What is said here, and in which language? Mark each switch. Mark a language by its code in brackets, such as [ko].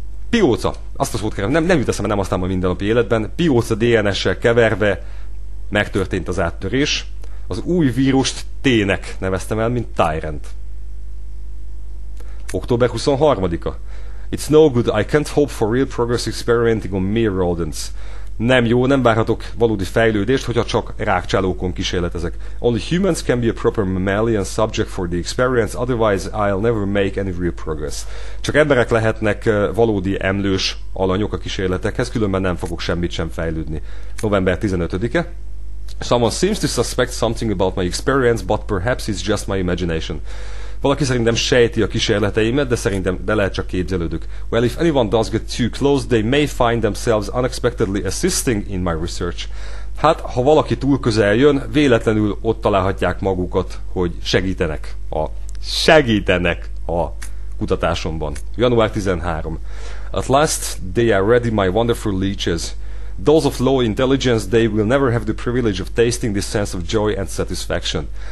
[hu] Pióca. Azt a szót kérem, nem jut eszembe, nem aztán a mindennapi életben. Pióca DNS-sel keverve megtörtént az áttörés. Az új vírust T-nek neveztem el, mint Tyrant. Október 23-a. [en] It's no good, I can't hope for real progress experimenting on mere rodents. [hu] Nem jó, nem várhatok valódi fejlődést, hogyha csak rákcsálókon kísérletezek. [en] Only humans can be a proper mammalian subject for the experience, otherwise I'll never make any real progress. [hu] Csak emberek lehetnek valódi emlős alanyok a kísérletekhez, különben nem fogok semmit sem fejlődni. November 15-e. [en] Someone seems to suspect something about my experience, but perhaps it's just my imagination. [hu] Valaki szerintem sejti a kísérleteimet, de szerintem de lehet csak képzelődök. [en] Well, if anyone does get too close, they may find themselves unexpectedly assisting in my research. [hu] Hát, ha valaki túl közel jön, véletlenül ott találhatják magukat, hogy segítenek a... Segítenek a kutatásomban. Január 13. [en] At last, they are ready, my wonderful leeches. Those of low intelligence, they will never have the privilege of tasting this sense of joy and satisfaction.